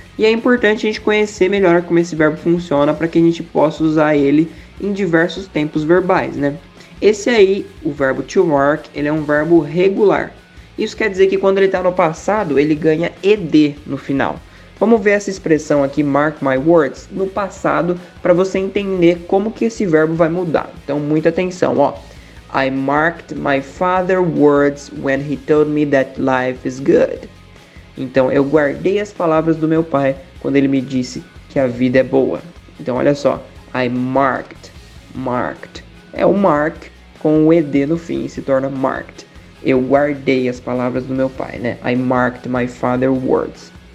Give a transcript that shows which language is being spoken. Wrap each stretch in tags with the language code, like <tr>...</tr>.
<pt>E é importante a gente conhecer melhor como esse verbo funciona para que a gente possa usar ele em diversos tempos verbais, né? Esse aí, o verbo to mark, ele é um verbo regular. Isso quer dizer que quando ele está no passado, ele ganha ed no final. Vamos ver essa expressão aqui, mark my words, no passado, para você entender como que esse verbo vai mudar. Então, muita atenção, ó.</pt> <en>I marked my father's words when he told me that life is good.</en> <pt>Então, eu guardei as palavras do meu pai quando ele me disse que a vida é boa. Então, olha só.</pt> <en>I marked, marked.</en> <pt>É o mark com o ed no fim, se torna marked. Eu guardei as palavras do meu pai, né?</pt> <en>I marked my father's words.</en>